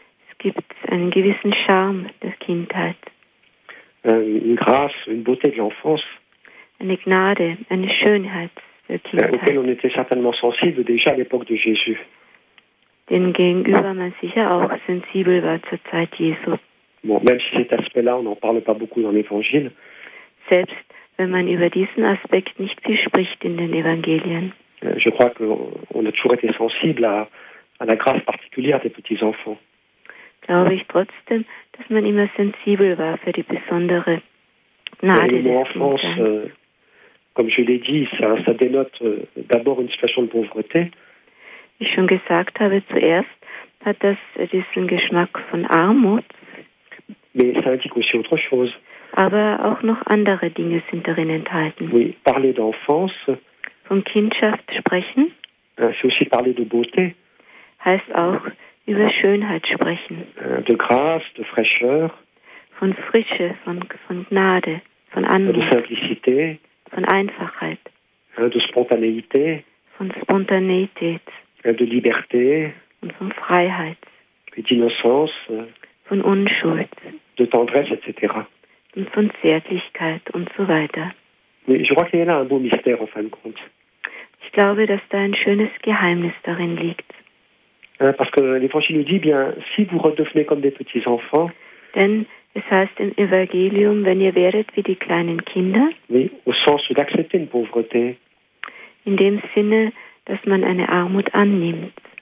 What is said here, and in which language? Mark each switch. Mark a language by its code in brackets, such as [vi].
[de] Es gibt einen gewissen Charme der Kindheit. [fr] Une grâce, une beauté de l'enfance. [de] Eine Gnade, eine Schönheit der Kindheit. [fr] Auquel on était certainement sensible déjà à l'époque de Jésus. [de] Dem gegenüber man sicher auch sensibel war zur Zeit Jesu. [fr] Bon, même si cet aspect-là, on n'en parle pas beaucoup dans l'Évangile. [de] Selbst wenn man über diesen Aspekt nicht viel spricht in den Evangelien. [fr] Je crois qu'on a toujours été sensible à la grâce particulière des petits-enfants. [de] Glaube ich trotzdem, dass man immer sensibel war für die besondere Gnade. [fr] Le mot enfance, comme je l'ai dit, ça dénote d'abord une situation de pauvreté. [de] Wie ich schon gesagt habe, zuerst hat das diesen Geschmack von Armut. [fr] Mais ça indique aussi autre chose. [de] Aber auch noch andere Dinge sind darin enthalten. [fr] Oui, parler d'enfance. [de] Von Kindschaft sprechen. [fr] C'est aussi parler de beauté. [de] Heißt auch über Schönheit sprechen. [fr] De grâce, de fraîcheur. [de] Von Frische, von Gnade, von Anmut. [fr] De simplicité. [de] Von Einfachheit. [fr] De spontanéité. [de] Von Spontaneität. [fr] De liberté. [de] Und von Freiheit. [fr] Et d'innocence. [de] Von Unschuld, [fr] de tendresse, etc. [de] Und von Zärtlichkeit und so weiter. [fr] Mais je crois qu'il y a là un beau mystère, en fin de compte. [de] Ich glaube, dass da ein schönes Geheimnis darin liegt. [fr] Parce que l'Évangile nous dit, bien, si vous redevenez comme des petits enfants, [de] denn es heißt im Evangelium, wenn ihr werdet wie die kleinen Kinder, [fr] oui, au sens d'accepter une pauvreté, [de] in dem Sinne, dass man eine Armut annimmt,